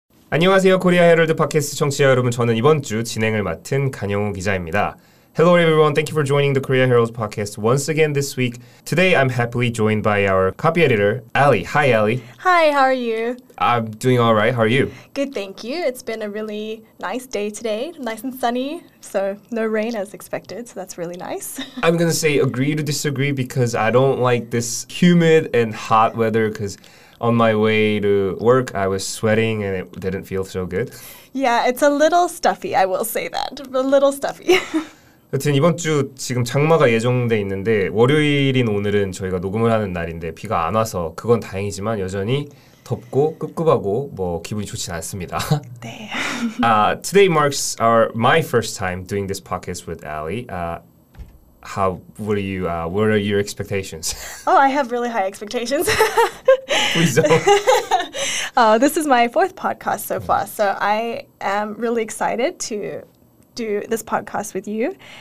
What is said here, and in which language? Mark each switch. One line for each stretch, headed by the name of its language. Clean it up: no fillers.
Korean: 안녕하세요. 코리아 헤럴드 팟캐스트 청취자 여러분, 저는 이번 주 진행을 맡은 간영우 기자입니다.
English: Hello everyone. Thank you for joining the Korea Herald podcast once again this week. Today, I'm happily joined by our copy editor, Ali. Hi, Ali. Hi, how are you? I'm doing all right. How are you? Good, thank you. It's been a really nice day today. Nice and sunny. So no rain as expected. So that's really nice. I'm going to say agree to disagree because I don't like this humid and hot weather because on my way to work, I was sweating and it didn't feel so good. Yeah, it's a little stuffy. I will say that. A little stuffy.
Korean: 여튼 이번 주 지금 장마가 예정돼 있는데 월요일인 오늘은 저희가 녹음을 하는 날인데 비가 안 와서 그건 다행이지만 여전히 덥고 꿉꿉하고 뭐 기분이 좋진 않습니다. 네.
English: today marks my first time doing this podcast with Ali. What are your expectations? Oh, I have really high expectations. Please don't. This is my fourth podcast so far, so I am really excited to do this podcast with you.